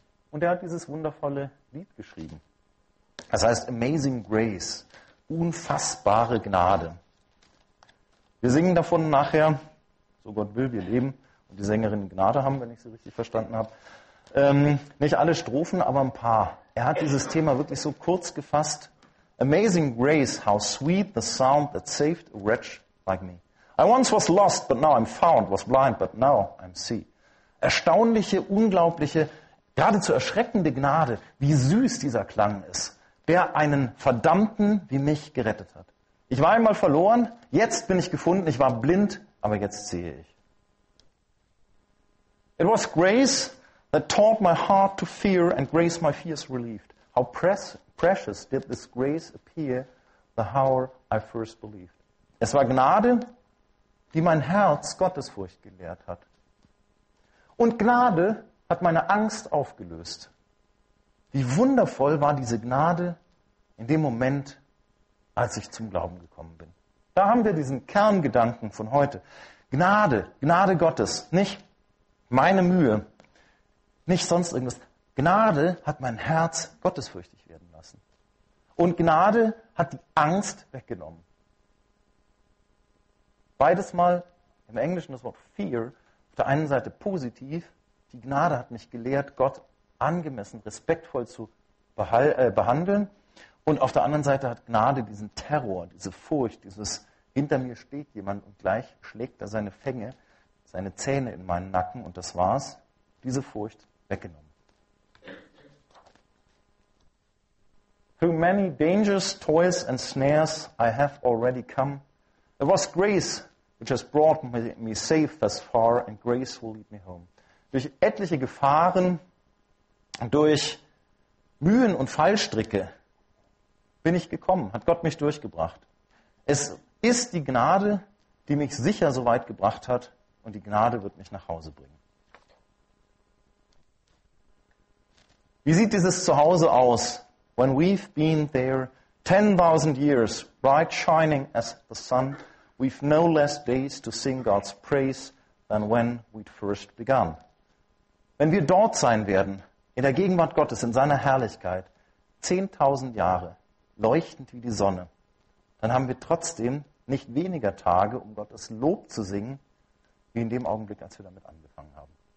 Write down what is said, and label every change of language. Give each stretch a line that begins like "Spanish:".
German: Und er hat dieses wundervolle Lied geschrieben. Das heißt Amazing Grace, unfassbare Gnade. Wir singen davon nachher, so Gott will, wir leben und die Sängerin Gnade haben, wenn ich sie richtig verstanden habe. Nicht alle Strophen, aber ein paar. Er hat dieses Thema wirklich so kurz gefasst.
English: Amazing grace, how sweet the sound that saved a wretch like me. I once was lost, but now I'm found, was blind, but now I'm see.
German: Erstaunliche, unglaubliche, geradezu erschreckende Gnade, wie süß dieser Klang ist, der einen Verdammten wie mich gerettet hat. Ich war einmal verloren, jetzt bin ich gefunden, ich war blind, aber jetzt sehe ich.
English: It was grace that taught my heart to fear and grace my fears relieved. How precious did this grace appear the hour I first believed.
German: Es war Gnade, die mein Herz Gottesfurcht gelehrt hat. Und Gnade hat meine Angst aufgelöst. Wie wundervoll war diese Gnade in dem Moment, als ich zum Glauben gekommen bin. Da haben wir diesen Kerngedanken von heute. Gnade, Gnade Gottes, nicht meine Mühe, nicht sonst irgendwas. Gnade hat mein Herz gottesfürchtig werden lassen. Und Gnade hat die Angst weggenommen. Beides mal im Englischen das Wort fear, auf der einen Seite positiv, die Gnade hat mich gelehrt, Gott angemessen, respektvoll zu behandeln. Und auf der anderen Seite hat Gnade diesen Terror, diese Furcht, dieses hinter mir steht jemand und gleich schlägt er seine Fänge, seine Zähne in meinen Nacken und das war's, diese Furcht weggenommen.
English: Through many dangers, toils and snares I have already come. It was grace which has brought me safe thus far and grace will lead me home.
German: Durch etliche Gefahren, durch Mühen und Fallstricke bin ich gekommen, hat Gott mich durchgebracht. Es ist die Gnade, die mich sicher so weit gebracht hat und die Gnade wird mich nach Hause bringen. Wie sieht dieses Zuhause aus?
English: When we've been there 10,000 years, bright shining as the sun, we've no less days to sing God's praise than when we'd first begun.
German: Wenn wir dort sein werden, in der Gegenwart Gottes, in seiner Herrlichkeit, 10,000 Jahre, leuchtend wie die Sonne, dann haben wir trotzdem nicht weniger Tage, um Gottes Lob zu singen, wie in dem Augenblick, als wir damit angefangen haben.